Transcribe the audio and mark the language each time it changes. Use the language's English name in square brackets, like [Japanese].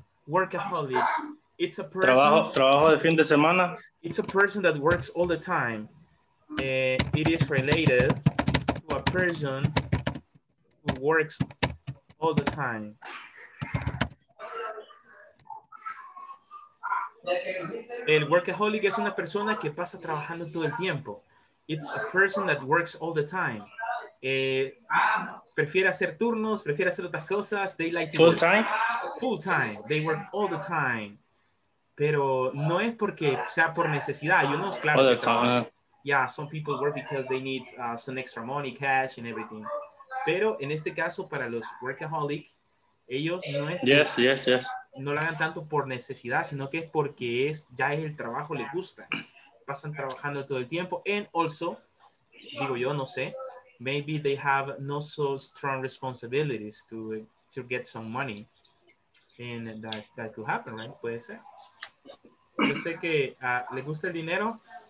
[English] Workaholic, it's a person. [Spanish] Trabajo de fin de semana. [English] It's a person that works all the time. It is related to a person who works all the time. [Spanish] El workaholic es una persona que pasa trabajando todo el tiempo. [English] It's a person that works all the time. [Spanish] Prefiere hacer turnos, prefiere hacer otras cosas. [English] They like to full work. Time? Full time. They work all the time. [Spanish] Pero no es porque sea por necesidad. [English] You know, it's claro. All the time. Yeah, some people work because they need some extra money, cash, and everything. [Spanish] Pero en este caso, para los workaholic, ellos no es. [English] Yes, que, yes, yes. [Spanish] No lo hagan tanto por necesidad, sino que es porque es ya es el trabajo, les gusta. Pasan trabajando todo el tiempo. [English] And also, [Spanish] digo yo, no sé, [English] maybe they have no so strong responsibilities to get some money. And that could happen, right? [Spanish] Puede ser. Yo sé que les gusta el dinero.